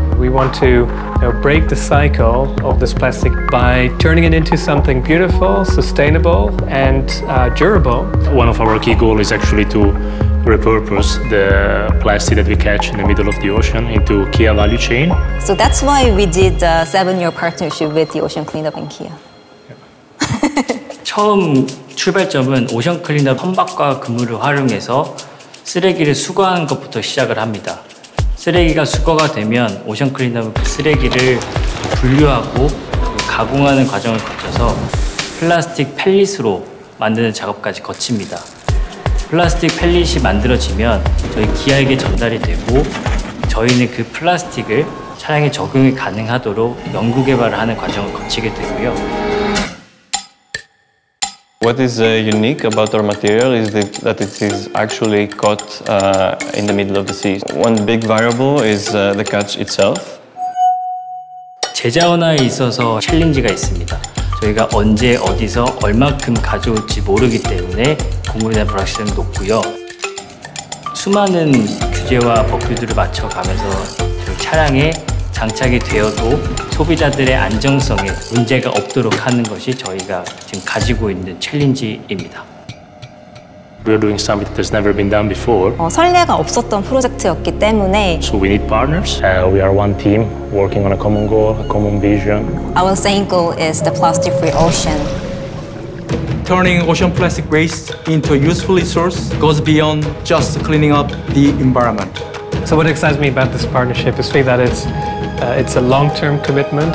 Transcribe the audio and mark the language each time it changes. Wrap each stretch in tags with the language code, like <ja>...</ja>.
<en>We want to break the cycle of this plastic by turning it into something beautiful, sustainable, and durable. One of our key goals is actually to repurpose the plastic that we catch in the middle of the ocean into KIA value chain. So that's why we did a 7-year partnership with the Ocean Cleanup and KIA.</en> <ko>처음 출발점은 오션 클린업 선박과 그물을 활용해서 쓰레기를 수거하는 것부터 시작을 합니다. 쓰레기가 수거가 되면 오션 클린업은 그 쓰레기를 분류하고 가공하는 과정을 거쳐서 플라스틱 펠릿으로 만드는 작업까지 거칩니다. 플라스틱 펠릿이 만들어지면 저희 기아에게 전달이 되고 저희는 그 플라스틱을 차량에 적용이 가능하도록 연구 개발을 하는 과정을 거치게 되고요.</ko> <en>What is unique about our material is that it is actually caught in the middle of the sea. One big variable is the catch itself.</en> <ko>재자원화에 있어서 챌린지가 있습니다. 저희가 언제 어디서 얼마큼 가져올지 모르기 때문에 공급량 불확실성이 높고요. 수많은 규제와 법규들을 맞춰가면서 차량에 장착이 되어도 소비자들의 안정성에 문제가 없도록 하는 것이 저희가 지금 가지고 있는 챌린지입니다.</ko> <en>We're doing something that's never been done before.</en> <ko>선례가 없었던 프로젝트였기 때문에.</ko> <en>So we need partners. We are one team working on a common goal, a common vision. Our same goal is the plastic-free ocean. Turning ocean plastic waste into a useful resource goes beyond just cleaning up the environment. So what excites me about this partnership is that it's a long-term commitment.</en>